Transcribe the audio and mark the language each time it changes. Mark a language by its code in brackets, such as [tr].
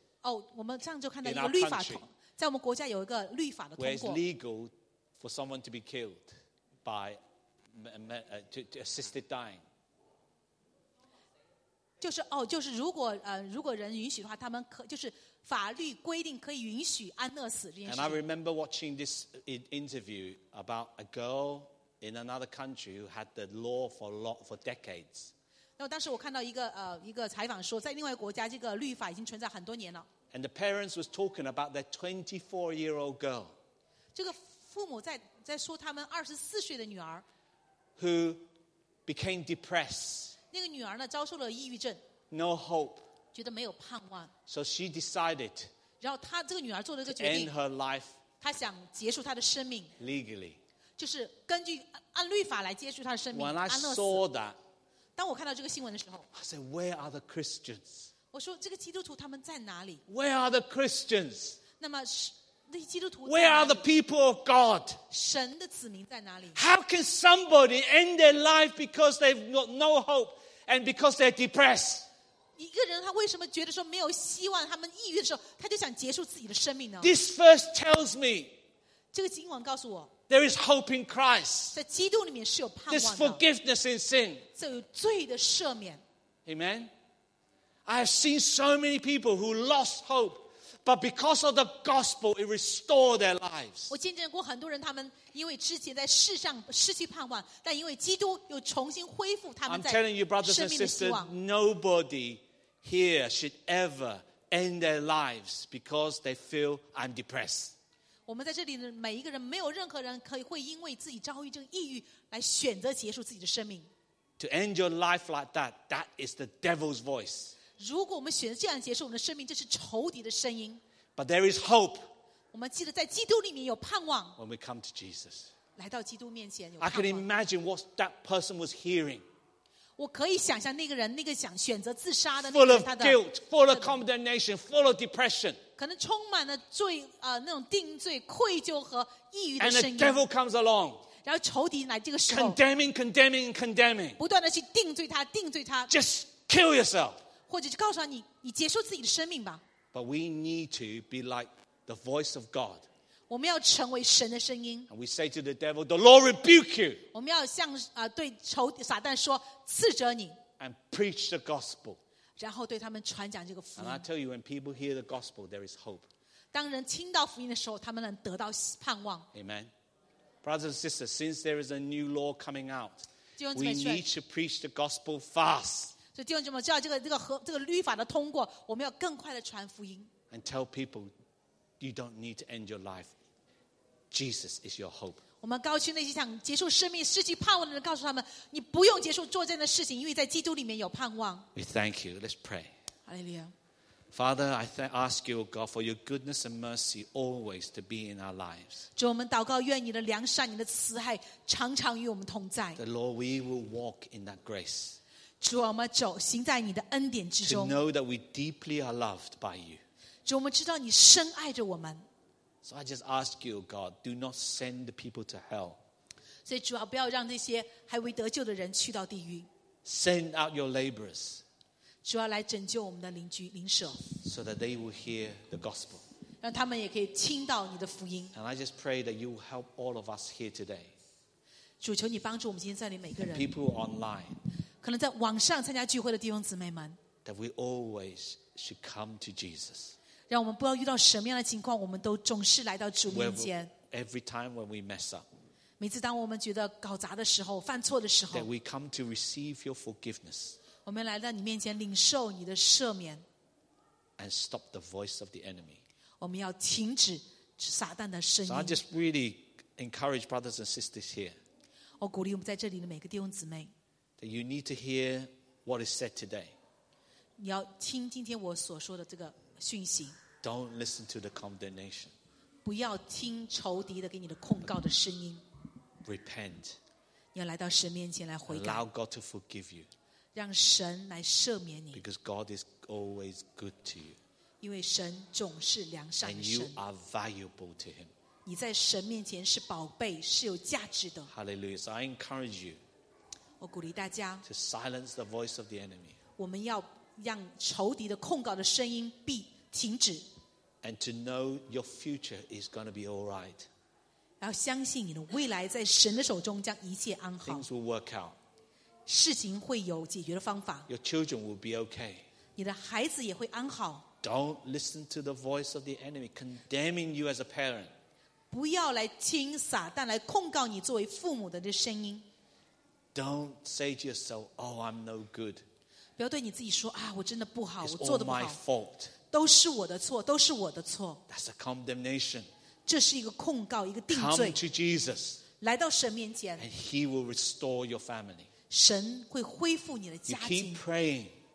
[zh] 哦，我们上周看到一个律法通，在我们国家有一个律法的通过。 [en] Where it's legal for someone to be killed by to assisted dying. [zh] 就是哦，就是如果人允许的话，他们可就是法律规定可以允许安乐死这件事。 [en] And I remember watching this interview about a girl in another country who had the law for decades. [zh] 然后当时我看到一个采访说，在另外一个国家，这个律法已经存在很多年了。 [en] And the parents was talking about their 24-year-old girl. [zh] 这个父母在说他们24岁的女儿。 [en] Who became depressed. [zh] 那个女儿呢，遭受了抑郁症。 [en] No hope. [zh] 觉得没有盼望。 [en] So she decided. [zh] 然后她这个女儿做了一个决定。 [en] End her life. [zh] 她想结束她的生命。 [en] Legally. [zh] 就是根据按律法来结束她的生命。 [en] When I saw that. [zh] 当我看到这个新闻的时候 [en] I said, where are the Christians? [zh] 我说这个基督徒他们在哪里 [en] Where are the Christians? [zh] 那么那些基督徒在哪里 [en] Where are the people of God? [zh] 神的子民在哪里 [en] How can somebody end their life because they've got no hope and because they're depressed? [zh] 一个人他为什么觉得说没有希望他们抑郁的时候他就想结束自己的生命呢 [en] This verse tells me [zh] 这个经文告诉我 [en] There is hope in Christ. [zh] 在基督里面是有盼望的。 [en] There's forgiveness in sin. [zh] 这有罪的赦免。 [en] Amen. I have seen so many people who lost hope, but because of the gospel, it restored their lives. [zh] 我见证过很多人，他们因为之前在世上失去盼望，但因为基督又重新恢复他们在生命的希望。 [en] I'm telling you, brothers and sisters, nobody here should ever end their lives because they feel I'm depressed. [zh] 我们在这里的每一个人，没有任何人可以会因为自己遭遇这个抑郁来选择结束自己的生命。 [en] To end your life like that, that is the devil's voice. [zh] 如果我们选择这样结束我们的生命，这是仇敌的声音。 [en] But there is hope. [zh] 我们记得在基督里面有盼望。 [en] When we come to Jesus, [zh] 来到基督面前有盼望。 [en] I can imagine what that person was hearing. [zh] 我可以想象那个人，那个想选择自杀的那个人， [en] full of guilt, full of condemnation, full of depression. [zh] 可能充满了罪、那种定罪愧疚和抑郁的声音 [en] And the devil comes along, [zh] 然后仇敌来这个时候 [en] condemning [zh] 不断地去定罪他 [en] just kill yourself [zh] 或者就告诉他 你结束自己的生命吧 [en] but we need to be like the voice of God [zh] 我们要成为神的声音。 [en] And we say to the devil, the Lord rebuke you. [zh] 我们要向对仇撒旦说斥责你。 [en] And preach the gospel. [zh] 然后对他们传讲这个福音。 [en] And I tell you, when people hear the gospel, there is hope. [zh] 当人听到福音的时候，他们能得到盼望。 [en] Amen. Brothers and sisters, since there is a new law coming out, we need to preach the gospel fast. [zh] 所以弟兄姊妹，只要这个律法的通过，我们要更快的传福音。 [en] And tell people. You don't need to end your life. Jesus is your hope. [zh] 我们告诉那些想结束生命、失去盼望的人，告诉他们，你不用结束做这样的事情，因为在基督里面有盼望。 [en] We thank you. Let's pray. Hallelujah. Father, I ask you, God, for your goodness and mercy always to be in our lives. [zh] 主，我们祷告，愿你的良善、你的慈爱常常与我们同在。 [en] The Lord, we will walk in that grace. [zh] 主，我们走，行在你的恩典之中。 [en] To know that we deeply are loved by you. [zh] 主，我们知道你深爱着我们。 [en] So I just ask you, God, do not send the people to hell. [zh] 所以主啊，不要让那些还未得救的人去到地狱。 [en] Send out your laborers. [zh] 主啊，来拯救我们的邻居邻舍。 [en] So that they will hear the gospel. [zh] 让他们也可以听到你的福音。 [en] And I just pray that you will help all of us here today. [zh] 主，求你帮助我们今天在里每个人。 [en] And people online. [zh] 可能在网上参加聚会的弟兄姊妹们。 [en] That we always should come to Jesus. [zh] 让我们不要遇到什么样的情况，我们都总是来到主面前。 [en] Every time when we mess up, [zh] 每次当我们觉得搞砸的时候，犯错的时候， [en] that we come to receive your forgiveness, [zh] 我们来到你面前领受你的赦免。 [en] And stop the voice of the enemy, [zh] 我们要停止撒旦的声音。 [en] So I just really encourage brothers and sisters here, [zh] 我鼓励我们在这里的每个弟兄姊妹， [en] that you need to hear what is said today. [zh] 你要听今天我所说的这个。 [en] Don't listen to the condemnation. [zh] 不要听仇敌的给你的控告的声音。 [en] Repent. [zh] 你要来到神面前来悔改。 [en] Allow God to forgive you. [zh] 让神来赦免你。 [en] Because God is always good to you. [zh] 因为神总是良善的神。 [en] And you are valuable to Him. [zh] 你在神面前是宝贝，是有价值的。 [en] Hallelujah! So I encourage you. [zh] 我鼓励大家。 [en] To silence the voice of the enemy. [zh] 我们要。让仇敌的控告的声音必停止。 [en] And to know your future is going to be all right. [zh] 要相信你的未来在神的手中将一切安好。 [en] Things will work out. [zh] 事情会有解决的方法。 [en] Your children will be okay. [zh] 你的孩子也会安好。 [en] Don't listen to the voice of the enemy condemning you as a parent. [zh] 不要来听撒旦来控告你作为父母的这声音。 [en] Don't say to yourself, "Oh, I'm no good." [zh] 不要对你自己说啊，我真的不好，我做的不好。 [en] It's all my fault. [zh] 都是我的错，都是我的错。 [en] That's a condemnation. [zh] 这是一个控告，一个定罪。 [en] Come to Jesus. [zh] 来到神面前。 [en] And He will restore your family. [zh] 神会恢复你的家庭。 [en] You keep praying.